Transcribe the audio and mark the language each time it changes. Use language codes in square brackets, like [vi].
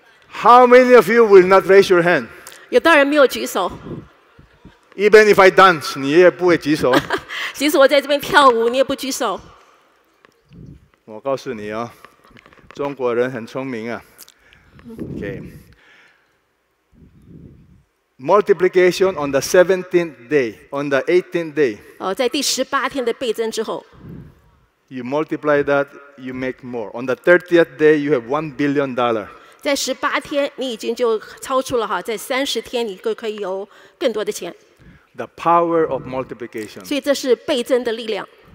[en] How many of you will not raise your hand？ [zh] 有多少人没有举手 [en] ？Even if I dance， [zh] 你也不会举手。即使我在这边跳舞，你也不举手。我告诉你哦，中国人很聪明啊。 [en] OK。 Multiplication on the 17th day, on the 18th day. [zh] 在第十八天的倍增之后。 [en] You multiply that, you make more. On the 30th day, you have $1 billion. [zh] 在十八天，你已经就超出了哈，在三十天，你就可以有更多的钱。 [en] The power of multiplication. [zh] 所以这是倍增的力量。